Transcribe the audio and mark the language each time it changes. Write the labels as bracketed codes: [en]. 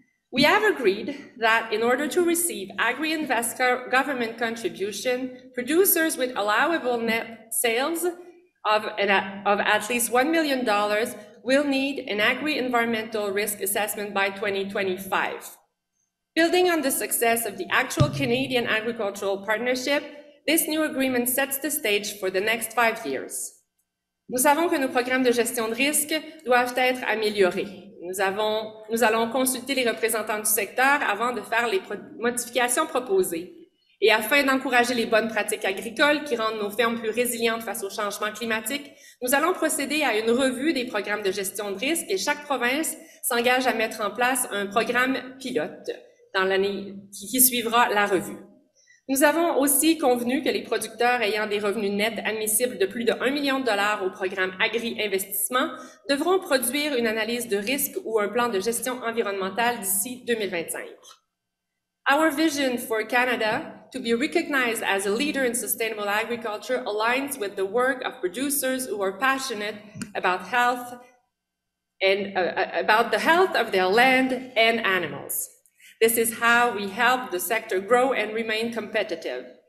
[en] We have agreed that in order to receive Agri-Invest government contribution, producers with allowable net sales of at least $1 million will need an agri-environmental risk assessment by 2025. Building on the success of the actual Canadian agricultural partnership, this new agreement sets the stage for the next 5 years. [fr] Nous savons que nos programmes de gestion de risque doivent être améliorés. Nous allons consulter les représentants du secteur avant de faire les modifications proposées. Et afin d'encourager les bonnes pratiques agricoles qui rendent nos fermes plus résilientes face au changement climatique, nous allons procéder à une revue des programmes de gestion de risque et chaque province s'engage à mettre en place un programme pilote dans l'année qui suivra la revue. Nous avons aussi convenu que les producteurs ayant des revenus nets admissibles de plus de $1 million au programme Agri-Investissement devront produire une analyse de risque ou un plan de gestion environnementale d'ici 2025. [en] Our vision for Canada to be recognized as a leader in sustainable agriculture aligns with the work of producers who are passionate about health and about the health of their land and animals. This is how we help the sector grow and remain competitive.